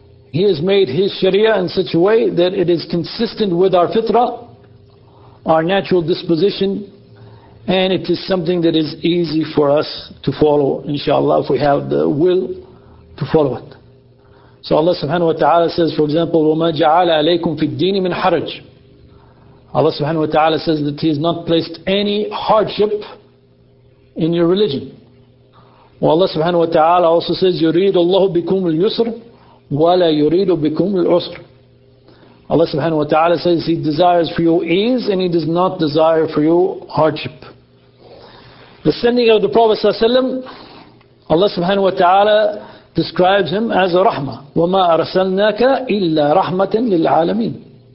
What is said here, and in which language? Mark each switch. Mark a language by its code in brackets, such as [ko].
[en] He has made His Sharia in such a way that it is consistent with our fitrah, our natural disposition, and it is something that is easy for us to follow, inshallah, if we have the will to follow it. So Allah subhanahu wa ta'ala says, for example, [ar] وَمَا جَعَلَ عَلَيْكُمْ فِي الدِّينِ مِنْ حَرَجٍ. [en] Allah subhanahu wa ta'ala says that He has not placed any hardship in your religion. Well, Allah subhanahu wa ta'ala also says, [ar] يُرِيدُ اللَّهُ بِكُمُ الْيُسْرِ وَلَا يُرِيدُ بِكُمُ الْعُسْرِ. [en] Allah subhanahu wa ta'ala says He desires for you ease and He does not desire for you hardship. The sending of the Prophet ﷺ, Allah subhanahu wa ta'ala describes him as a rahmah. [ar] وَمَا أَرْسَلْنَاكَ إِلَّا رَحْمَةً لِلْعَالَمِينَ.